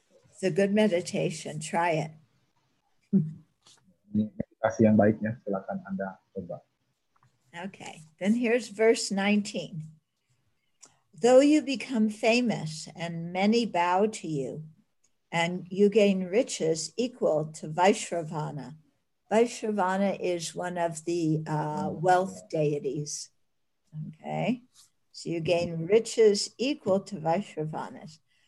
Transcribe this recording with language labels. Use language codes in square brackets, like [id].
[en] It's a good meditation. Try it. [id] meditasi yang baiknya, silakan Anda coba. [en] Okay, then here's verse 19. Though you become famous and many bow to you, and you gain riches equal to Vaishravana. Vaishravana is one of the wealth deities. Okay, so you gain riches equal to Vaishravana's.